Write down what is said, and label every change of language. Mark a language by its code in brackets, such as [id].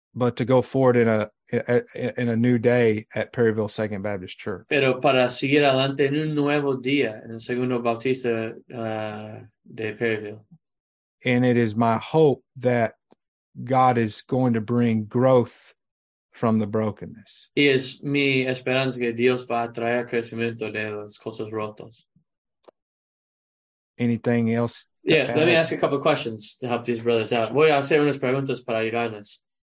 [en] But to go forward in a new day at Perryville Second Baptist Church. [es] Pero para seguir adelante en un nuevo día en el Segundo Bautista de Perryville. [en] And it is my hope that God is going to bring growth from the brokenness. [es] Y es mi esperanza que Dios va a traer crecimiento de las cosas rotas. [en] Anything else? Yeah, let me ask a couple of questions to help these brothers out. [es] Voy a hacer unas preguntas para ayudarles.